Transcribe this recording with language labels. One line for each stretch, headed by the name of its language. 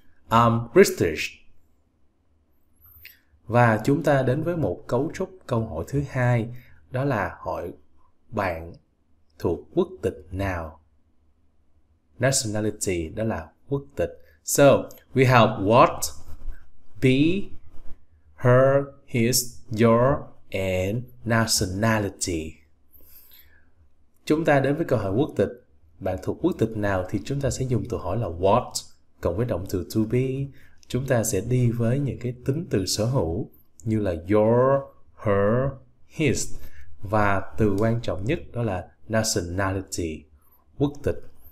English: I'm British.
Vietnamese: Và chúng ta đến với một cấu trúc câu hỏi thứ hai, đó là hỏi bạn thuộc quốc tịch nào? Nationality, đó là quốc tịch.
English: So, we have what, be, her, his, your, and nationality.
Vietnamese: Chúng ta đến với câu hỏi quốc tịch. Bạn thuộc quốc tịch nào thì chúng ta sẽ dùng từ hỏi là what cộng với động từ to be. Chúng ta sẽ đi với những cái tính từ sở hữu như là your, her, his. Và từ quan trọng nhất đó là nationality, quốc tịch.